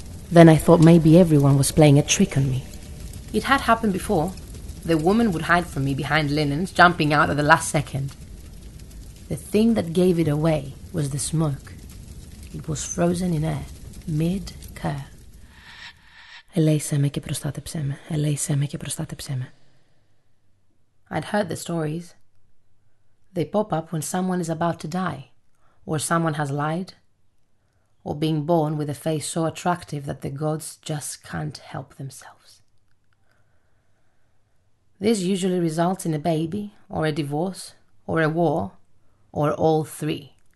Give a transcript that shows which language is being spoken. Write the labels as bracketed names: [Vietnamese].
[English] Then I thought maybe everyone was playing a trick on me. It had happened before. The woman would hide from me behind linens, jumping out at the last second. The thing that gave it away was the smoke. It was frozen in air, mid-cur. [Greek] Ελέησέ με και προστάτεψέ με. Ελέησέ με και προστάτεψέ με. [English] I'd heard the stories. They pop up when someone is about to die, or someone has lied, or being born with a face so attractive that the gods just can't help themselves. This usually results in a baby, or a divorce, or a war, or all three.